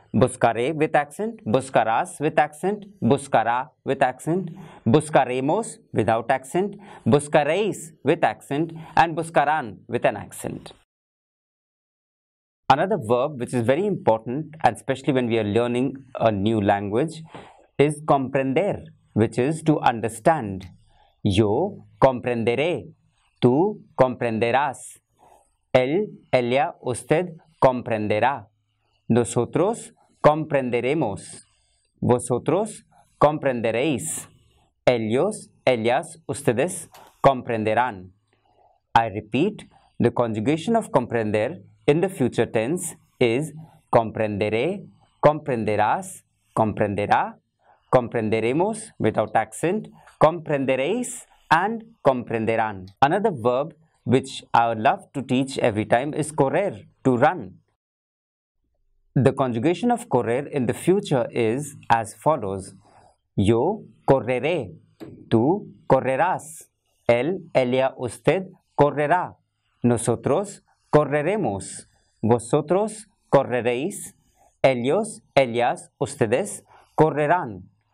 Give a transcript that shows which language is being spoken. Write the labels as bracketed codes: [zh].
[en] buscaré with accent, buscarás with accent, buscará with accent, buscaremos without accent, buscaréis with accent, and buscarán with an accent. Another verb which is very important, and especially when we are learning a new language, is comprender, which is to understand. [es] Yo comprenderé, tú comprenderás, él, ella, usted comprenderá, nosotros comprenderemos, vosotros comprenderéis, ellos, ellas, ustedes comprenderán. [en] I repeat, the conjugation of comprender in the future tense is [es] comprenderé, comprenderás, comprenderá, comprenderemos [en] without accent, comprenderéis, and comprenderán. Another verb which I would love to teach every time is correr, to run. The conjugation of correr in the future is as follows. [es] Yo correré, tú correrás, él, ella, usted correrá, nosotros correremos, vosotros correréis, ellos, ellas, ustedes correrán.